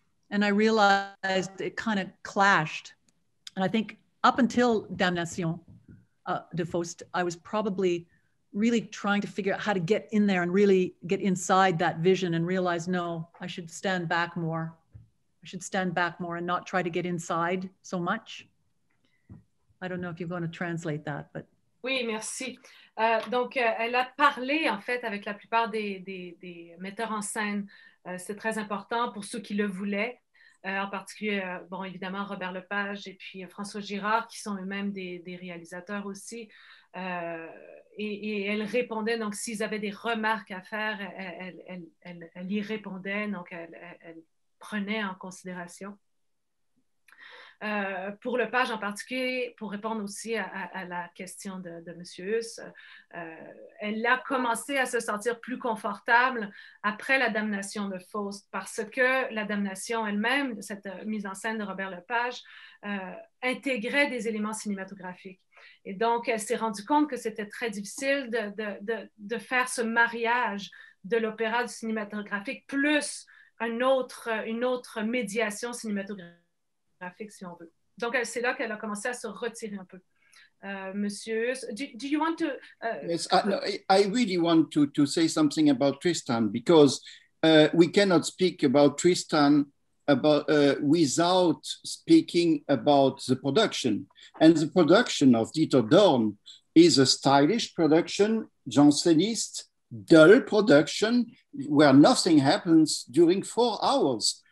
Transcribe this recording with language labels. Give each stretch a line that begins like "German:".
English: And I realized it kind of clashed. And I think up until Damnation de Faust, I was probably really trying to figure out how to get in there and really get inside that vision and realize, no, I should stand back more. Should stand back more and not try to get inside so much. I don't know if you're going to translate that, but.
French: Oui, merci. Donc, elle a parlé, en fait, avec la plupart des metteurs en scène. C'est très important pour ceux qui le voulaient. en particulier, bon, évidemment, Robert Lepage et puis François Girard, qui sont eux-mêmes des réalisateurs aussi. Et elle répondait, donc s'ils avaient des remarques à faire, elle y répondait, donc elle prenait en considération. Pour Lepage en particulier, pour répondre aussi à la question de M. Huss, elle a commencé à se sentir plus confortable après la damnation de Faust, parce que la damnation elle-même, cette mise en scène de Robert Lepage, intégrait des éléments cinématographiques. Et donc, elle s'est rendue compte que c'était très difficile de faire ce mariage de l'opéra du cinématographique plus une autre médiation cinématographique. Si on veut. Donc, c'est là qu'elle a commencé à se retirer un peu.
English: Monsieur, do you want to... Yes, I really want to say something about Tristan, because we cannot speak about Tristan without speaking about the production. And the production of Dieter Dorn is a stylish production, janséniste, dull production, where nothing happens during 4 hours.